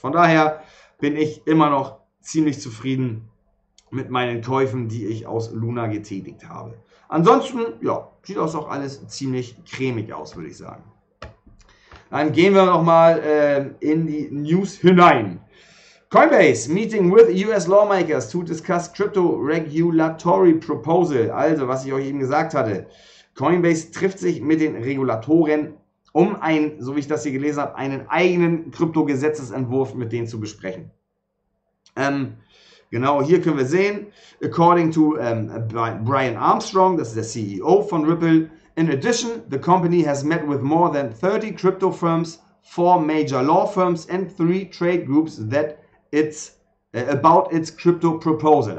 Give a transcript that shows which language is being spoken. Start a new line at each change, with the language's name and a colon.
German: Von daher bin ich immer noch ziemlich zufrieden mit meinen Käufen, die ich aus Luna getätigt habe. Ansonsten, ja, sieht das auch alles ziemlich cremig aus, würde ich sagen. Dann gehen wir noch mal in die News hinein.
English: Coinbase Meeting with US Lawmakers to discuss Crypto Regulatory Proposal.
German: Also, was ich euch eben gesagt hatte. Coinbase trifft sich mit den Regulatoren, um einen, so wie ich das hier gelesen habe, einen eigenen Kryptogesetzesentwurf mit denen zu besprechen. Genau, hier können wir sehen,
English: according to Brian Armstrong,
German: das ist der CEO von Ripple,
English: in addition, the company has met with more than 30 crypto firms, four major law firms and three trade groups that it's about its crypto proposal.